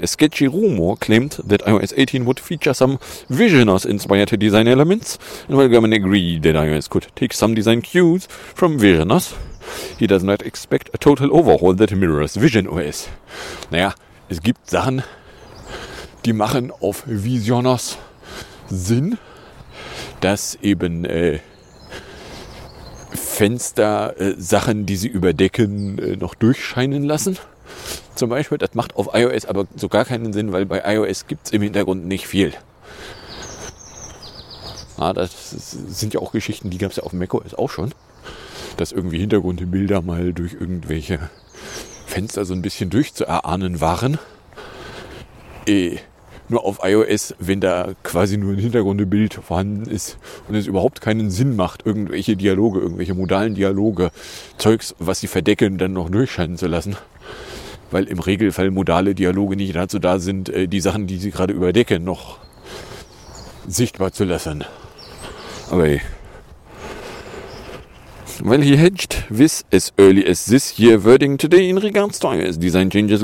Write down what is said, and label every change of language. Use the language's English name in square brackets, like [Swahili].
[English] A sketchy rumor claimed that iOS 18 would feature some Visioners-inspired design elements. And while German agreed that iOS could take some design cues from Visioners, he does not expect a total overhaul that mirrors Vision OS. [German] Naja, es gibt Sachen, die machen auf Visioners Sinn, dass eben Fenster Sachen, die sie überdecken, noch durchscheinen lassen. Zum Beispiel, das macht auf iOS aber so gar keinen Sinn, weil bei iOS gibt es im Hintergrund nicht viel. Ja, das sind ja auch Geschichten, die gab es ja auf macOS auch schon. Dass irgendwie Hintergrundbilder mal durch irgendwelche Fenster so ein bisschen durchzuerahnen waren. Nur auf iOS, wenn da quasi nur ein Hintergrundbild vorhanden ist und es überhaupt keinen Sinn macht, irgendwelche Dialoge, irgendwelche modalen Dialoge, Zeugs, was sie verdecken, dann noch durchscheinen zu lassen. Weil im Regelfall modale Dialoge nicht dazu da sind, die Sachen, die sie gerade überdecken, noch sichtbar zu lassen. [English] Aber well, he hedged with as early as this year wording today in regards to iOS design changes.